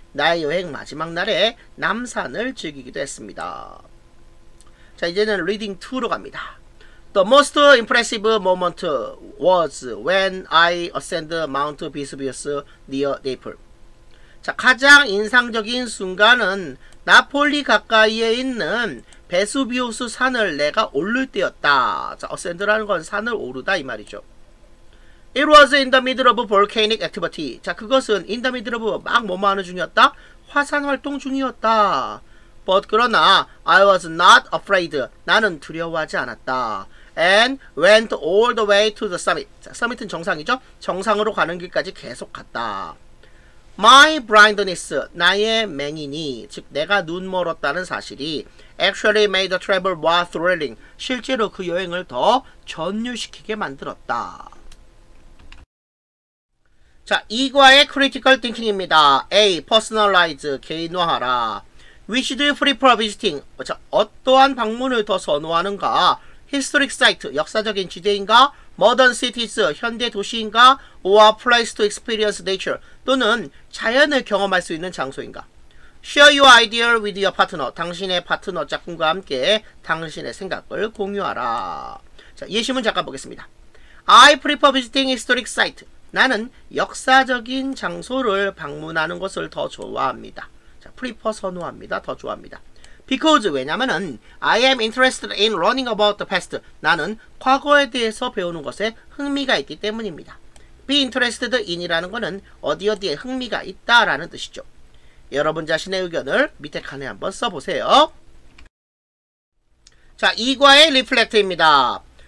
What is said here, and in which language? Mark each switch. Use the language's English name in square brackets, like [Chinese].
[Korean] 나의 여행 마지막 날에 남산을 즐기기도 했습니다. 자, 이제는 reading 2로 갑니다. [English] The most impressive moment was when I ascended Mount Vesuvius near Naples. [Korean] 자, 가장 인상적인 순간은 나폴리 가까이에 있는 베수비우스 산을 내가 오를 때였다. 자, ascend라는 건 산을 오르다 이 말이죠. [English] It was in the middle of volcanic activity. [Korean] 자, 그것은 [English] in the middle of [Korean] 막 뭐하는 중이었다? 화산 활동 중이었다. [English] But [Korean] 그러나 [English] I was not afraid. [Korean] 나는 두려워하지 않았다. [English] And went all the way to the summit. [Korean] 자, summit은 정상이죠. 정상으로 가는 길까지 계속 갔다. [English] My blindness, [Korean] 나의 맹인이, 즉 내가 눈 멀었다는 사실이 [English] actually made the travel more thrilling. [Korean] 실제로 그 여행을 더 전율시키게 만들었다. 자, 이과의 critical thinking입니다. A. personalize, 개인화하라. [English] Which do you prefer visiting? [Korean] 자, 어떠한 방문을 더 선호하는가? [English] Historic site, [Korean] 역사적인 지대인가? [English] Modern cities, [Korean] 현대 도시인가? [English] Or a place to experience nature, [Korean] 또는 자연을 경험할 수 있는 장소인가? [English] Share your idea with your partner, [Korean] 당신의 파트너 짝꿍과 함께 당신의 생각을 공유하라. 자, 예시문 잠깐 보겠습니다. [English] I prefer visiting historic site. [Korean] 나는 역사적인 장소를 방문하는 것을 더 좋아합니다. 자, prefer 선호합니다. 더 좋아합니다. [English] Because, [Korean] 왜냐면은 [English] I am interested in learning about the past. [Korean] 나는 과거에 대해서 배우는 것에 흥미가 있기 때문입니다. Be interested in이라는 것은 어디 어디에 흥미가 있다라는 뜻이죠. 여러분 자신의 의견을 밑에 칸에 한번 써보세요. 자, 2과의 리플렉트입니다.